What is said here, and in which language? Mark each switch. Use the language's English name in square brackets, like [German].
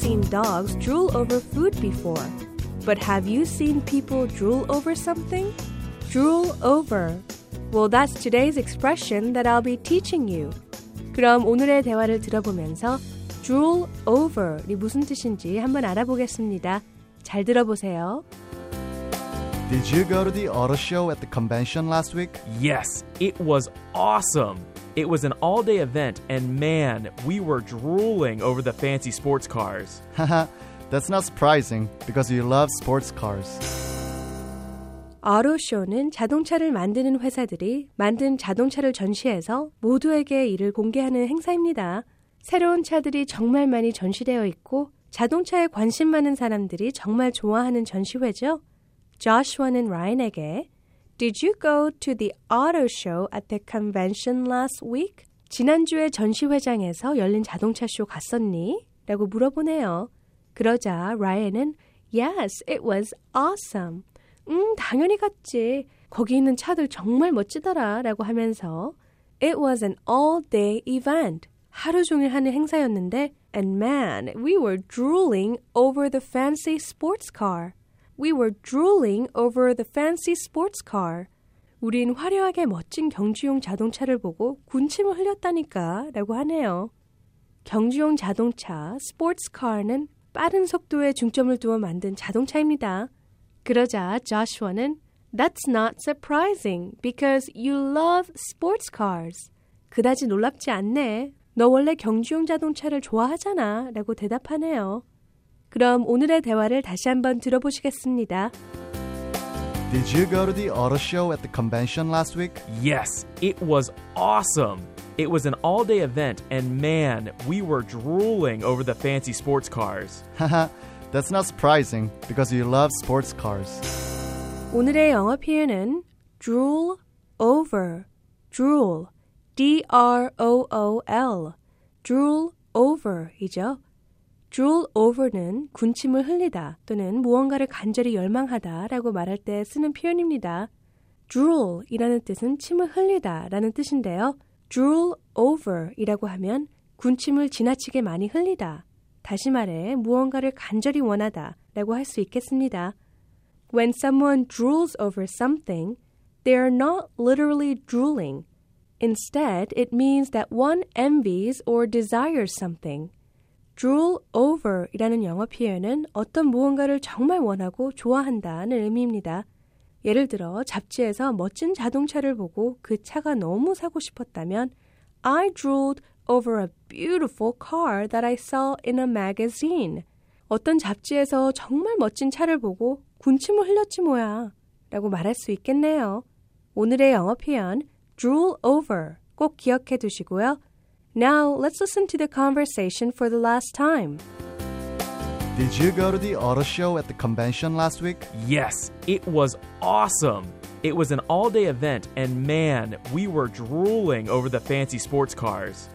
[English] Dogs drool over food before. But have you seen people drool over something? Drool over. Well, that's today's expression that I'll be teaching you. [Korean] 그럼 오늘의 대화를 들어보면서 drool over이 무슨 뜻인지 한번 알아보겠습니다. 잘 들어보세요. [English] Did you go to the auto show at the convention last week? Yes, it was awesome. It was an all-day event, and man, we were drooling over the fancy sports cars. Haha, that's not surprising, because you love sports cars. [Korean] Auto Show는 자동차를 만드는 회사들이 만든 자동차를 전시해서 모두에게 이를 공개하는 행사입니다. 새로운 차들이 정말 많이 전시되어 있고, 자동차에 관심 많은 사람들이 정말 좋아하는 전시회죠. Joshua는 Ryan에게 [English] Did you go to the auto show at the convention last week? [Korean] 지난주에 전시회장에서 열린 자동차 쇼 갔었니? 라고 물어보네요. 그러자 라이언은 [English] Yes, it was awesome. [Korean] 당연히 갔지. 거기 있는 차들 정말 멋지더라 라고 하면서 [English] It was an all-day event. [Korean] 하루 종일 하는 행사였는데 [English] And man, we were drooling over the fancy sports car. We were drooling over the fancy sports car. [Korean] 우린 화려하게 멋진 경주용 자동차를 보고 군침을 흘렸다니까 라고 하네요. 경주용 자동차, sports car는 빠른 속도에 중점을 두어 만든 자동차입니다. 그러자 Joshua는 [English] That's not surprising because you love sports cars. [Korean] 그다지 놀랍지 않네. 너 원래 경주용 자동차를 좋아하잖아 라고 대답하네요. 그럼 오늘의 대화를 다시 한번 들어보시겠습니다. [English] Did you go to the auto show at the convention last week? Yes, it was awesome. It was an all-day event, and man, we were drooling over the fancy sports cars. Haha, that's not surprising, because you love sports cars. [Korean] 오늘의 영어 표현은 drool over. [English] Drool, D-R-O-O-L. Drool over이죠. [Korean] Drool over는 군침을 흘리다 또는 무언가를 간절히 열망하다 라고 말할 때 쓰는 표현입니다. Drool이라는 뜻은 침을 흘리다 라는 뜻인데요. Drool over이라고 하면 군침을 지나치게 많이 흘리다. 다시 말해 무언가를 간절히 원하다 라고 할 수 있겠습니다. [English] When someone drools over something, they are not literally drooling. Instead, it means that one envies or desires something. [Korean] Drool over이라는 영어 표현은 어떤 무언가를 정말 원하고 좋아한다는 의미입니다. 예를 들어 잡지에서 멋진 자동차를 보고 그 차가 너무 사고 싶었다면 [English] I drooled over a beautiful car that I saw in a magazine. [Korean] 어떤 잡지에서 정말 멋진 차를 보고 군침을 흘렸지 뭐야 라고 말할 수 있겠네요. 오늘의 영어 표현 drool over 꼭 기억해 두시고요. [English] Now, let's listen to the conversation for the last time. Did you go to the auto show at the convention last week? Yes, it was awesome. It was an all-day event, and man, we were drooling over the fancy sports cars.